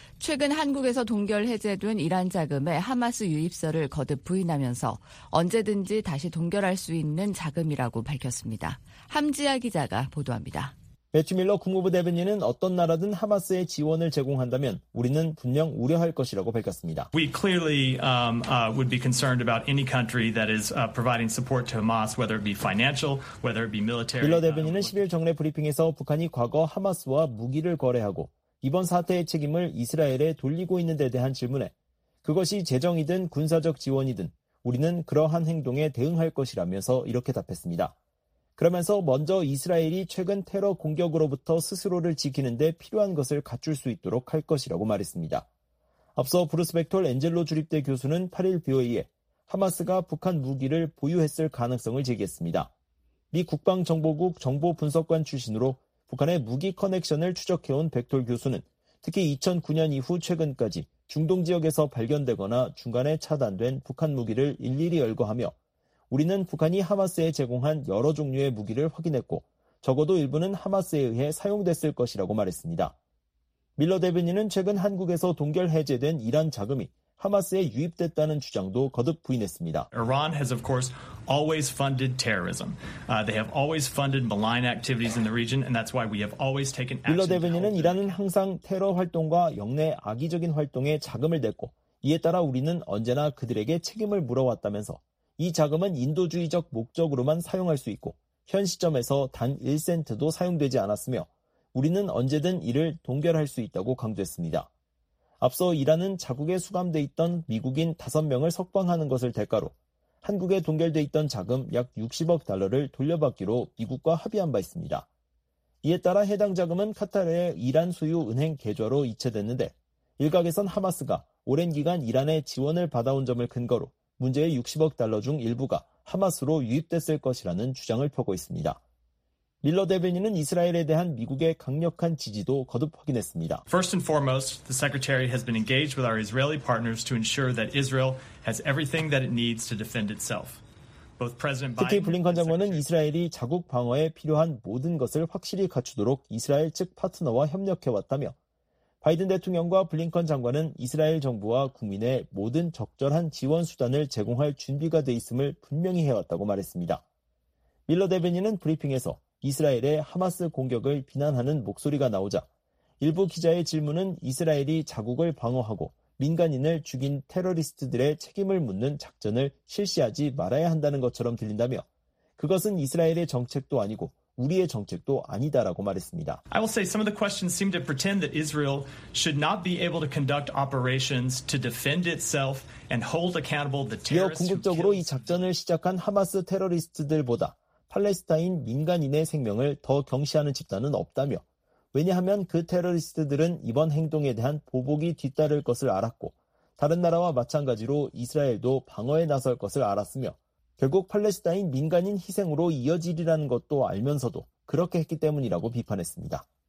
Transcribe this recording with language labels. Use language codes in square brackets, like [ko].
[ko] 최근 한국에서 동결 해제된 이란 자금의 하마스 유입설을 거듭 부인하면서 언제든지 다시 동결할 수 있는 자금이라고 밝혔습니다. 함지아 기자가 보도합니다. 매튜 밀러 국무부 대변인은 어떤 나라든 하마스에 지원을 제공한다면 우리는 분명 우려할 것이라고 밝혔습니다. [en] We clearly would be concerned about any country that is providing support to Hamas, whether it be financial, whether it be military. [ko] 밀러 대변인은 10일 정례 브리핑에서 북한이 과거 하마스와 무기를 거래하고 이번 사태의 책임을 이스라엘에 돌리고 있는 데 대한 질문에 그것이 재정이든 군사적 지원이든 우리는 그러한 행동에 대응할 것이라면서 이렇게 답했습니다. 그러면서 먼저 이스라엘이 최근 테러 공격으로부터 스스로를 지키는데 필요한 것을 갖출 수 있도록 할 것이라고 말했습니다. 앞서 브루스 벡톨 엔젤로 주립대 교수는 8일 BOA에 하마스가 북한 무기를 보유했을 가능성을 제기했습니다. 미 국방정보국 정보분석관 출신으로 북한의 무기 커넥션을 추적해온 벡톨 교수는 특히 2009년 이후 최근까지 중동 지역에서 발견되거나 중간에 차단된 북한 무기를 일일이 열거하며 우리는 북한이 하마스에 제공한 여러 종류의 무기를 확인했고 적어도 일부는 하마스에 의해 사용됐을 것이라고 말했습니다. 밀러 대변인은 최근 한국에서 동결 해제된 이란 자금이 하마스에 유입됐다는 주장도 거듭 부인했습니다. [en] Iran has of course always funded terrorism. They have always funded malign activities in the region and that's why we have always taken action. [ko] 밀러 대변인은 이란은 항상 테러 활동과 영내 악의적인 활동에 자금을 냈고 이에 따라 우리는 언제나 그들에게 책임을 물어왔다면서 이 자금은 인도주의적 목적으로만 사용할 수 있고 현 시점에서 단 1센트도 사용되지 않았으며 우리는 언제든 이를 동결할 수 있다고 강조했습니다. 앞서 이란은 자국에 수감돼 있던 미국인 5명을 석방하는 것을 대가로 한국에 동결돼 있던 자금 약 60억 달러를 돌려받기로 미국과 합의한 바 있습니다. 이에 따라 해당 자금은 카타르의 이란 수유 은행 계좌로 이체됐는데 일각에선 하마스가 오랜 기간 이란의 지원을 받아온 점을 근거로 문제의 60억 달러 중 일부가 하마스로 유입됐을 것이라는 주장을 펴고 있습니다. 밀러 대변인은 이스라엘에 대한 미국의 강력한 지지도 거듭 확인했습니다. [en] First and foremost, the secretary has been engaged with our Israeli partners to ensure that Israel has everything that it needs to defend itself. Both President Biden [ko] 특히 블링컨 장관은 이스라엘이 자국 방어에 필요한 모든 것을 확실히 갖추도록 이스라엘 측 파트너와 협력해 왔다며 바이든 대통령과 블링컨 장관은 이스라엘 정부와 국민의 모든 적절한 지원 수단을 제공할 준비가 돼 있음을 분명히 해왔다고 말했습니다. 밀러 대변인은 브리핑에서 이스라엘의 하마스 공격을 비난하는 목소리가 나오자 일부 기자의 질문은 이스라엘이 자국을 방어하고 민간인을 죽인 테러리스트들의 책임을 묻는 작전을 실시하지 말아야 한다는 것처럼 들린다며 그것은 이스라엘의 정책도 아니고 우리의 정책도 아니다라고 말했습니다. [en] I will say some of the questions seem to pretend that Israel should not be able to conduct operations to defend itself and hold accountable the terrorists. [ko] 이어 궁극적으로 이 작전을 시작한 하마스 테러리스트들보다 팔레스타인 민간인의 생명을 더 경시하는 집단은 없다며 왜냐하면 그 테러리스트들은 이번 행동에 대한 보복이 뒤따를 것을 알았고 다른 나라와 마찬가지로 이스라엘도 방어에 나설 것을 알았으며 결국 팔레스타인 민간인 희생으로 이어지리라는 것도 알면서도 그렇게 했기 때문이라고 비판했습니다.